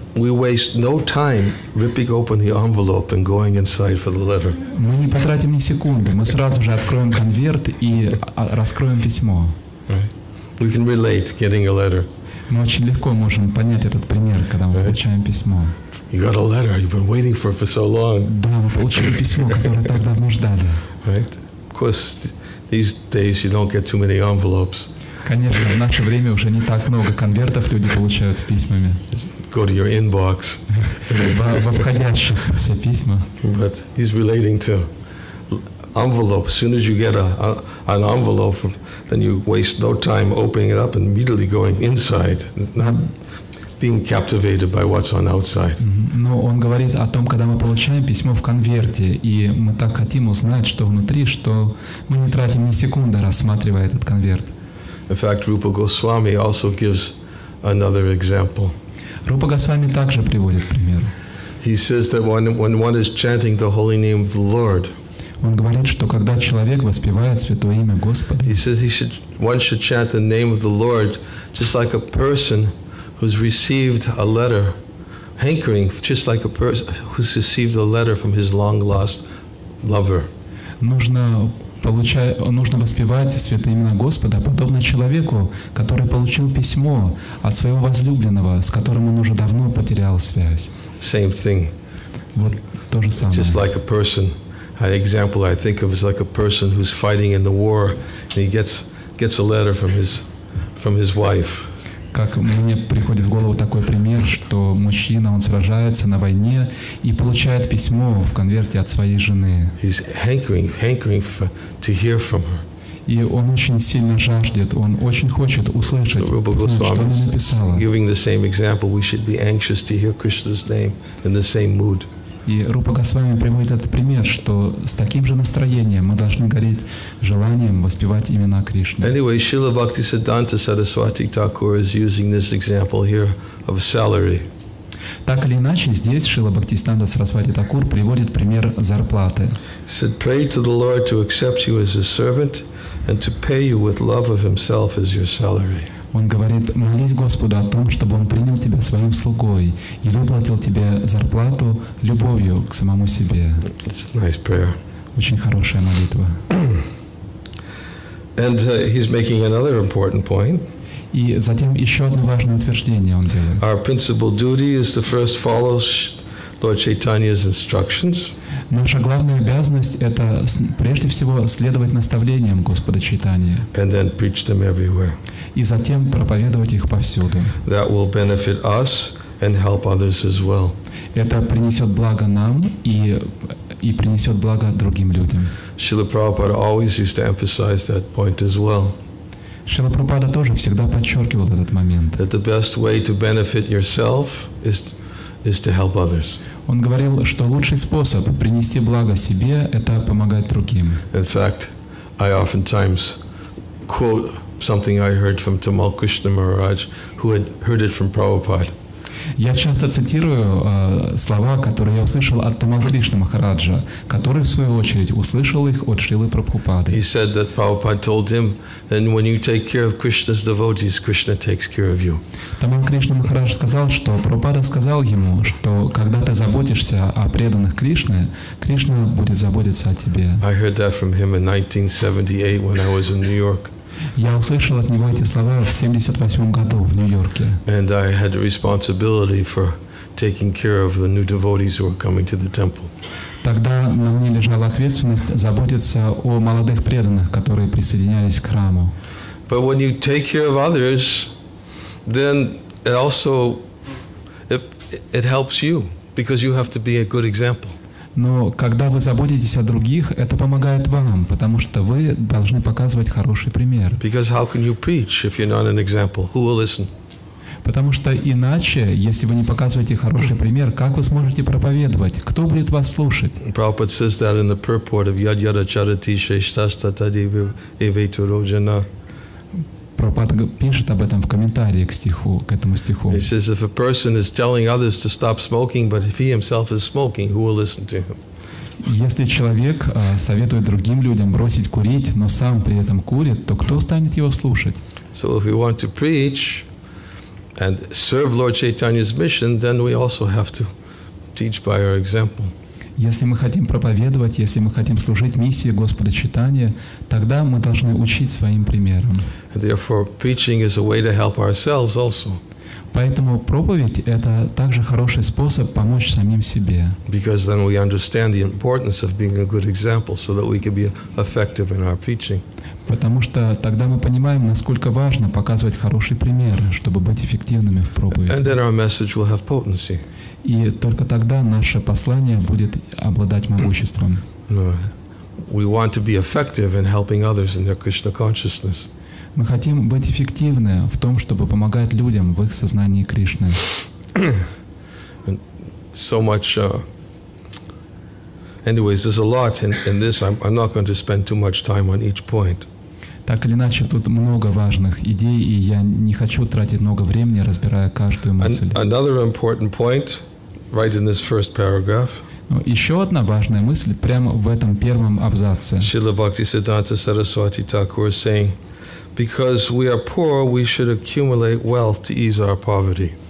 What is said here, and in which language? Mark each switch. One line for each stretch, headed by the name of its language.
English: We waste no time ripping open the envelope and going inside for the letter.
Russian: Мы не потратим ни секунды. Мы сразу же откроем конверт и раскроем письмо.
English: We can relate getting a letter.
Russian: Мы очень легко можем понять этот пример, когда мы получаем письмо.
English: You got a letter you've been waiting for so long.
Russian: Да, мы получили письмо, которое так давно ждали.
English: Right? Of course, these days you don't get too many envelopes.
Russian: Конечно, в наше время уже не так много конвертов люди получают с письмами.
English: Go to your inbox.
Russian: Во входящих все письма.
English: But he's relating to envelope. As soon as you get an envelope, then you waste no time opening it up and immediately going inside, not being captivated by what's on outside.
Russian: Но он говорит о том, когда мы получаем письмо в конверте, и мы так хотим узнать, что внутри, что мы не тратим ни секунды, рассматривая этот конверт.
English: In fact, Rupa Goswami also gives another example.
Russian: Rupa Goswami также приводит пример.
English: He says that when one is chanting the holy name of the Lord,
Russian: он говорит, что когда человек воспевает святое имя Господа,
English: he says one should chant the name of the Lord just like a person who's received a letter, hankering just like a person who's received a letter from his long lost lover.
Russian: Нужно воспевать святое имя Господа подобно человеку, который получил письмо от своего возлюбленного, с которым он уже давно потерял связь.
English: Same thing.
Russian: Вот то же самое.
English: Just like a person. An example I think of is like a person who's fighting in the war and he gets a letter from his wife.
Russian: Как мне приходит в голову такой пример, что мужчина, он сражается на войне и получает письмо в конверте от своей жены.
English: He's hankering to hear from her.
Russian: И он очень сильно жаждет, он очень хочет услышать, so, знать, что она написала.
English: Giving the same example, we should be anxious to hear Krishna's name in the same mood.
Russian: И Рупа Госвами приводит этот пример, что с таким же настроением мы должны гореть желанием воспевать имена Кришны.
English: Anyway, Śrīla Bhaktisiddhānta Saraswati Thakura is using this example here of salary.
Russian: Так или иначе, здесь Śrīla Bhaktisiddhānta Saraswati Thakura приводит пример зарплаты.
English: He said, pray to the Lord to accept you as his servant and to pay you with love of himself as your salary.
Russian: Он говорит, молись Господу о том, чтобы Он принял тебя своим слугой и выплатил тебе зарплату любовью к самому себе.
English: It's a nice prayer.
Russian: Очень хорошая молитва.
English: And he's making another important point.
Russian: И затем еще одно важное утверждение он делает.
English: Our principal duty is to first follow Lord Chaitanya's instructions.
Russian: Наша главная обязанность – это, прежде всего, следовать наставлениям Господа Чайтаньи.
English: And then preach them everywhere.
Russian: И затем проповедовать их повсюду.
English: That will benefit us and help others as well.
Russian: Это принесет благо нам и принесет благо другим людям.
English: Śrīla Prabhupāda always used to emphasize that point as well.
Russian: Śrīla Prabhupāda тоже всегда подчеркивал этот момент.
English: That the best way to benefit yourself is to help others.
Russian: Он говорил, что лучший способ принести благо себе – это помогать другим.
English: In fact, I oftentimes quote something I heard from Tamal Krishna Maharaj, who had heard it from Prabhupada.
Russian: Я часто цитирую слова, которые я услышал от Тамал Кришны Махараджа, который, в свою очередь, услышал их от Шрилы Прабхупады.
English: He said that Prabhupada told him, then when you take care of Krishna's devotees, Krishna takes care of you.
Russian: Тамал Кришна Махарадж сказал, что Прабхупада сказал ему, что когда ты заботишься о преданных Кришны, Кришна будет заботиться о тебе.
English: I heard that from him in 1978 when I was in New York.
Russian: Я услышал от него эти слова в 78 году в Нью-Йорке.
English: And I had a responsibility for taking care of the new devotees who were coming to the temple.
Russian: Тогда на мне лежала ответственность заботиться о молодых преданных, которые присоединялись к храму.
English: But when you take care of others, then it also it helps you because you have to be a good example.
Russian: Но когда вы заботитесь о других, это помогает вам, потому что вы должны показывать хороший пример.
English: Because how can you preach if you're not an example? Who will listen?
Russian: Потому что иначе, если вы не показываете хороший пример, как вы сможете проповедовать? Кто будет вас слушать?
English: Prabhupada says that in the purport of
Sanskrit: Yad-Yad Acharati Shastha Tadiv Evetu Rojana.
Russian: Prabhupada пишет об этом в комментарии к стиху, к этому стиху.
English: He says, if a person is telling others to stop smoking, but if he himself is smoking, who will listen to him?
Russian: Если человек советует другим людям бросить курить, но сам при этом курит, то кто станет его слушать?
English: So if we want to preach and serve Lord Chaitanya's mission, then we also have to teach by our example.
Russian: Если мы хотим проповедовать, если мы хотим служить миссии Господа Читания, тогда мы должны учить своим примером.
English: Therefore, preaching is a way to help ourselves also.
Russian: Поэтому проповедь – это также хороший способ помочь самим себе.
English: Because then we understand the importance of being a good example so that we can be effective in our preaching.
Russian: Потому что тогда мы понимаем, насколько важно показывать хорошие примеры, чтобы быть эффективными в проповеди.
English: And then our message will have potency.
Russian: И только тогда наше послание будет обладать могуществом.
English: We want to be effective in helping others in their Krishna consciousness.
Russian: Мы хотим быть эффективны в том, чтобы помогать людям в их сознании Кришны.
English: And so much. Anyways, there's a lot in this. I'm not going to spend too much time on each point.
Russian: Так или иначе, тут много важных идей, и я не хочу тратить много времени, разбирая каждую мысль.
English: Another important point. Right in this first paragraph.
Russian: Еще одна важная мысль прямо в этом первом абзаце.
English: Шрила Бхактисиддханта Сарасвати Такур saying, because we are poor, we should accumulate wealth to ease our poverty.